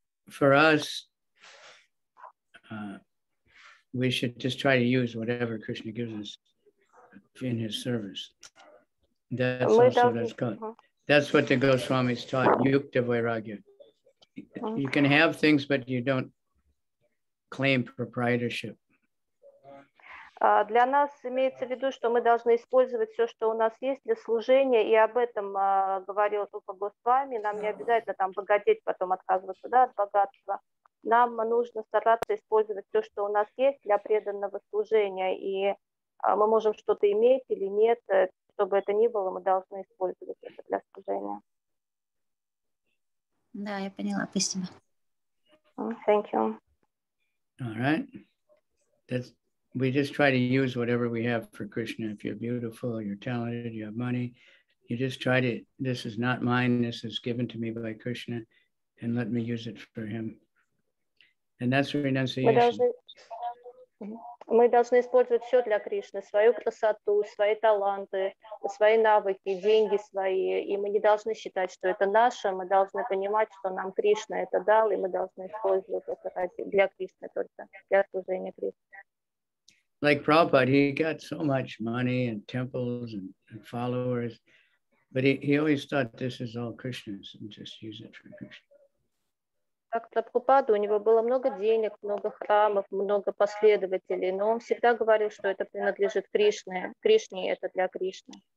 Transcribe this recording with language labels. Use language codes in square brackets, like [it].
[en] For us, we should just try to use whatever Krishna gives us in his service. That's also, that's good. That's what the Goswamis taught, Yukta Vairagya. You can have things, but you don't claim proprietorship. [ru] Для нас имеется в виду, что мы должны использовать все, что у нас есть для служения, и об этом говорил Рупа Госвами, нам не обязательно там богатеть, потом отказываться, да, от богатства. Нам нужно стараться использовать все, что у нас есть для преданного служения, и мы можем что-то иметь или нет, чтобы это ни было, мы должны использовать это для служения. Да, я поняла, спасибо. [en] Thank you. All right. That's... We just try to use whatever we have for Krishna. If you're beautiful, you're talented, you have money, you just try to, this is not mine, this is given to me by Krishna, and let me use it for him. And that's renunciation. [ru] Мы должны использовать все для Кришны, свою красоту, свои таланты, свои навыки, деньги свои, и мы не должны считать, что это наше, мы должны понимать, что нам Кришна это дал, и мы должны использовать это для Кришны только, для служения Кришне. [en] Like Prabhupada, he got so much money and temples and followers, but he always thought this is all Krishna's and just use it for Krishna. [ru] Как Прабхупада, у него было много денег, много храмов, много последователей, но он всегда говорил, что это принадлежит Кришне, Кришне это для Кришны.